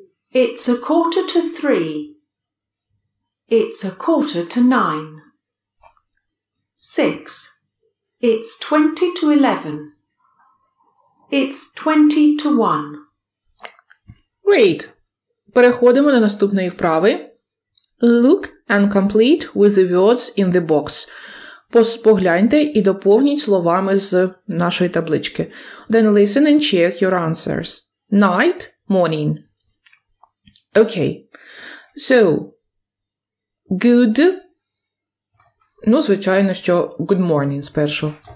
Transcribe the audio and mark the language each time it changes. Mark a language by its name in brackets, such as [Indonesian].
[English] It's a quarter to 3. It's a quarter to 9. 6. It's 20 to 11. It's 20 to 1. Great. [Ukrainian] Переходимо до наступної вправи. [English] Look and complete with the words in the box. [Ukrainian] Погляньте і доповніть словами з нашої таблички. [English] Then listen and check your answers. Night, morning. Okay. So, good. [Ukrainian] Ну, звичайно, що [English] good morning [Ukrainian] спершу.